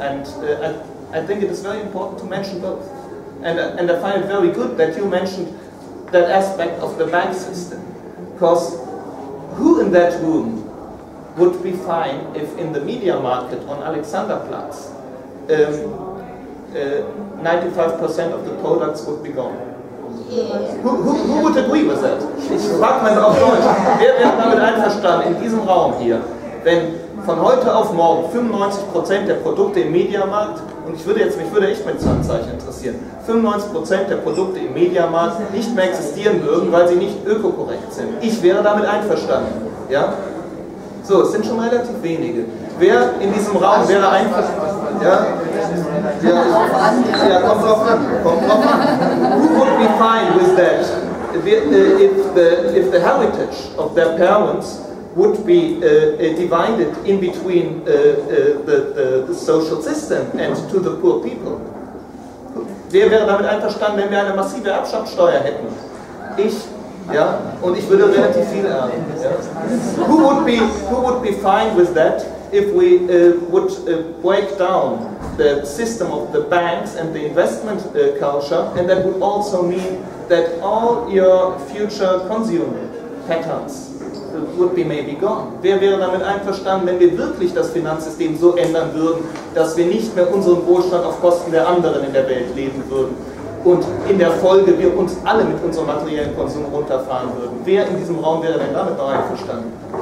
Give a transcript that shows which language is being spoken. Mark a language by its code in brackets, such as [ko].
[en] And I think it is very important to mention both. And I find it very good that you mentioned that aspect of the bank system. Because who in that room would be fine if in the media market on Alexanderplatz 95% of the products would be gone? Yeah. Who would agree with that? [de] Ich frage mal auf Deutsch. Wer wäre damit einverstanden in diesem Raum hier, wenn von heute auf morgen 95% der Produkte im Mediamarkt, und mich würde echt mein Zahnzeichen interessieren, 95% der Produkte im Mediamarkt nicht mehr existieren würden, weil sie nicht ökokorrekt sind. Ich wäre damit einverstanden. Ja? So, es sind schon relativ wenige. Wer in diesem Raum wäre einverstanden? Ja, kommt drauf an. [en] Who would be fine with that? If the heritage of their parents would be divided in between the social system and to the poor people. [de] Wer wäre damit einverstanden, wenn wir eine massive Erbschaftssteuer hätten? Ich, ja, und ich würde relativ viel erben. Ja. [en] Who would be fine with that if we would break down the system of the banks and the investment culture, and that would also mean that all your future consumer patterns would be maybe gone. [de] Wer wäre damit einverstanden, wenn wir wirklich das Finanzsystem so ändern würden, dass wir nicht mehr unseren Wohlstand auf Kosten der anderen in der Welt leben würden und in der Folge wir uns alle mit unserem materiellen Konsum runterfahren würden? Wer in diesem Raum wäre denn damit einverstanden?